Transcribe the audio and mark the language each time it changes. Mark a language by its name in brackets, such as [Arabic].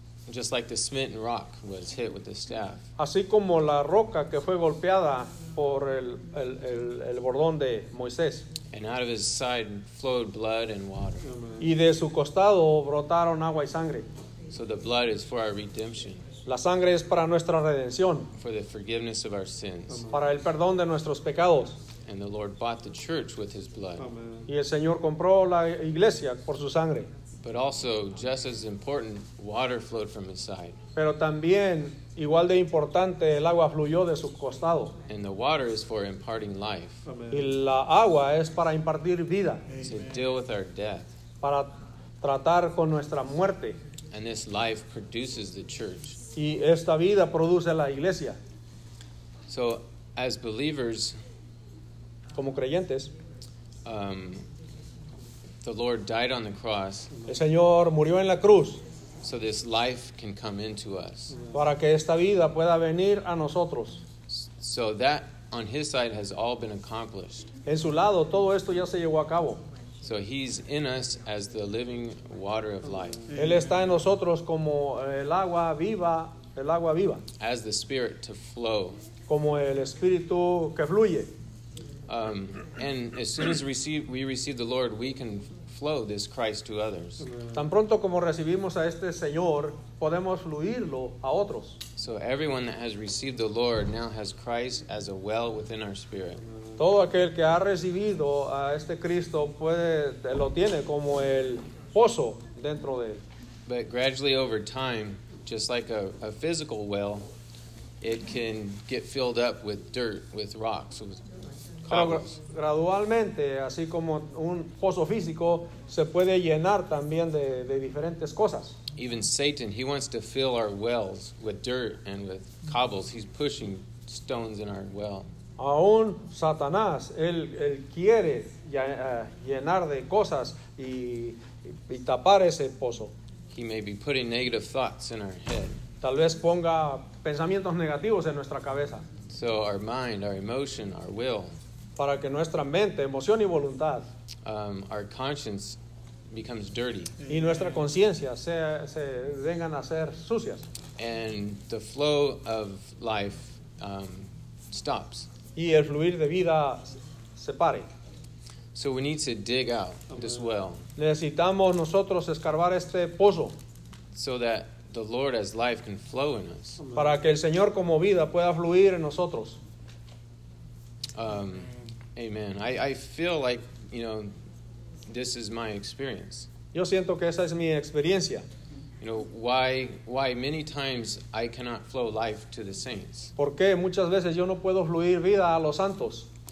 [English] Just like the smitten rock was hit with the staff. [Spanish] Así como la roca que fue golpeada por el bordón de Moisés. [English] And out of his side flowed blood and water. Amen. [Spanish] Y de su costado brotaron agua y sangre. [English] So the blood is for our redemption. [Spanish] La sangre es para nuestra redención. [English] For the forgiveness of our sins. [Spanish] Amen. Para el perdón de nuestros pecados. [English] And the Lord bought the church with his blood. [Spanish] Amen. Y el Señor compró la iglesia por su sangre. [English] But also, just as important, water flowed from his side. [Spanish] Pero también, igual de importante, el agua fluyó de su costado. [English] And the water is for imparting life. [Spanish] Amen. Y la agua es para impartir vida. [English] Amen. To deal with our death. [Spanish] Para tratar con nuestra muerte. [English] And this life produces the church. [Spanish] Y esta vida produce la iglesia. [English] So, as believers, [Spanish] como creyentes, [English] the Lord died on the cross. [Spanish] El Señor murió en la cruz. [English] So this life can come into us. [Spanish] Para que esta vida pueda venir a nosotros. [English] So that on his side has all been accomplished. [Spanish] En su lado todo esto ya se llevó a cabo. [English] So he's in us as the living water of life. [Spanish] Él está en nosotros como el agua viva. [English] As the spirit to flow. [Spanish] Como el espíritu que fluye. [English] And as soon as we receive the Lord, we can flow this Christ to others. [Spanish] Tan pronto como recibimos a este Señor, podemos fluirlo a otros. [English] So everyone that has received the Lord now has Christ as a well within our spirit. [Spanish] Todo aquel que ha recibido a este Cristo puede lo tiene como el pozo dentro de él. [English] But gradually over time, just like a physical well, it can get filled up with dirt, with rocks, with cobbles. [Spanish] Gradualmente, así como un pozo físico, se puede llenar también de diferentes cosas. [English] Even Satan, he wants to fill our wells with dirt and with cobbles. He's pushing stones in our well. [Spanish] Aún Satanás, él quiere llenar de cosas y tapar ese pozo. [English] He may be putting negative thoughts in our head. [Spanish] Tal vez ponga pensamientos negativos en nuestra cabeza. [English] So our mind, our emotion, our will. [Spanish] Para que nuestra mente, emoción y voluntad. [English] Our conscience becomes dirty. [Spanish] Y nuestra conciencia se vengan a ser sucias. [English] And the flow of life stops. [Spanish] Y el fluir de vida se pare. [English] So we need to dig out this well. [Spanish] Necesitamos nosotros escarbar este pozo. [English] So that the Lord as life can flow in us. [Spanish] Para que el Señor como vida pueda fluir en nosotros. [English] Amen. I feel like, you know, this is my experience. [Spanish] Yo siento que esa es mi experiencia. [English] You know, why many times I cannot flow life to the saints. [Spanish] ¿Por qué muchas veces yo no puedo fluir vida a los santos?